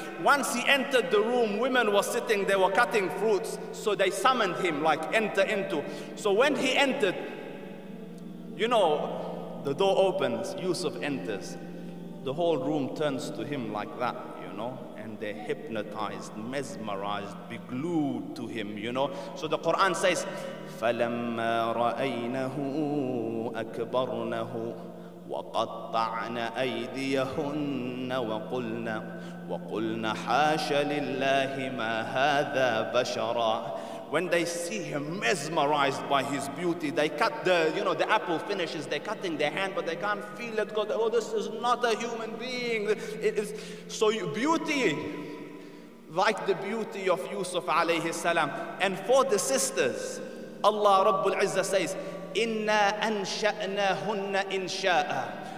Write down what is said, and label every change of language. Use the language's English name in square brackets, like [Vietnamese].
[English] Once he entered the room, women were sitting, they were cutting fruits, so they summoned him, like, enter into. So when he entered, you know, the door opens, Yusuf enters. The whole room turns to him like that, you know, and they're hypnotized, mesmerized, be glued to him, you know. So the Quran says, [Arabic] فَلَمَّا رَأَيْنَهُ أَكْبَرْنَهُ وَقَطَّعْنَ أَيْدِيَهُنَّ وَقُلْنَا حَاشَ لِلَّهِ مَا هَذَا بَشَرًا. [English] When they see him mesmerized by his beauty, they cut the, you know, the apple finishes, they're cutting their hand, but they can't feel it, because, oh, this is not a human being. It is so beauty, like the beauty of Yusuf alayhi salam. And for the sisters, Allah Rabbul Izzah says, [Arabic] إِنَّا أَنْشَأْنَاهُنَّ إِنْشَاءً.